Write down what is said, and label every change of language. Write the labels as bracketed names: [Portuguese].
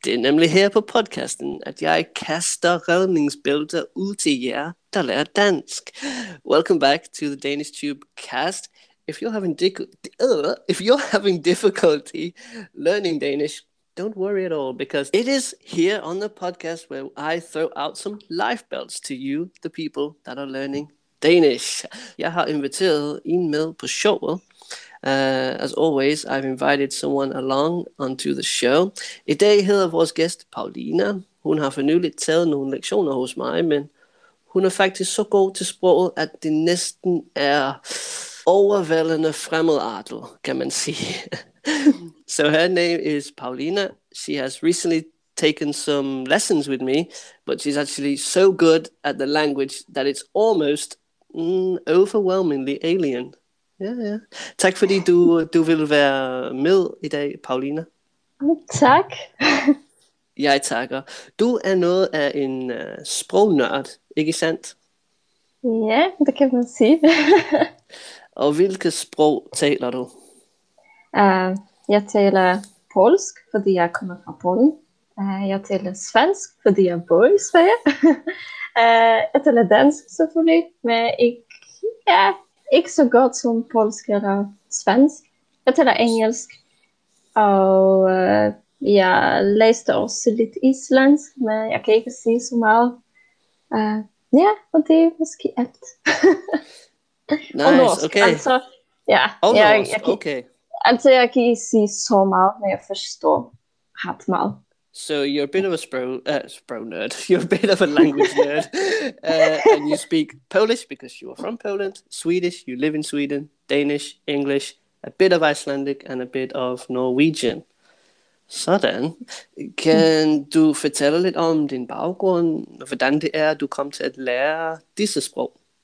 [Danish] Det er nemlig her på podcasten, at jeg kaster redningsbælter ud til jer, der lærer dansk. [English] Welcome back to the Danish Tube Cast. If you're having difficulty learning Danish, don't worry at all, because it is here on the podcast where I throw out some life belts to you, the people that are learning Danish. [Danish] Jeg har inviteret en med på showet. [English] As always, I've invited someone along onto the show. [Danish] I dag hedder vores gæst Paulina. Hun har for nylig taget nogle lektioner hos mig, men hun er faktisk så god til sproget, at det næsten er overvældende fremmedartet, kan man sige. [English] So her name is Paulina. She has recently taken some lessons with me, but she's actually so good at the language that it's almost overwhelmingly alien. Yeah. [Danish] Tak fordi du vil være med i dag, Paulina. Tak. Jeg takker. Du er noget af en sprognørd, ikke sandt? Ja, det kan man sige. Og hvilke sprog taler du? Jeg taler polsk, fordi jeg kommer fra Polen. Jeg taler svensk, fordi jeg bor i Sverige. Jeg taler dansk selvfølgelig, men ikke så godt som polsk eller svensk. Jeg taler engelsk, og jeg læste også lidt islandsk, men jeg kan ikke sige så meget. Og det er måske alt. [English] Nice, [Danish] og norsk, okay. Altså, ja, og jeg, norsk, jeg kan, okay. Altså, jeg kan ikke sige så meget, men jeg forstår ret meget. [English] So you're a bit of a spro nerd. You're a bit of a language nerd. And you speak Polish because you are from Poland, Swedish, you live in Sweden, Danish, English, a bit of Icelandic and a bit of Norwegian. [Danish] Så den. Kan du fortælle lidt om din baggrund, og hvordan det er, du kom til at lære disse sprog?